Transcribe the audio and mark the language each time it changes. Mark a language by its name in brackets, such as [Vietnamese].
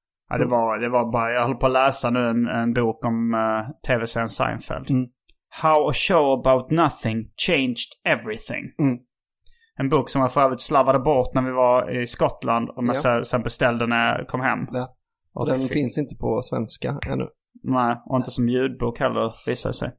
[Swedish] Ja, det var bara, jag håller på att läsa nu en bok om tv-serien Seinfeld. [English] How a show about nothing changed everything. [Swedish] En bok som jag för övrigt slavade bort när vi var i Skottland och man sen beställde när jag kom hem. Ja. Och den finns inte på svenska ännu. Nej, och inte som ljudbok heller, visar sig.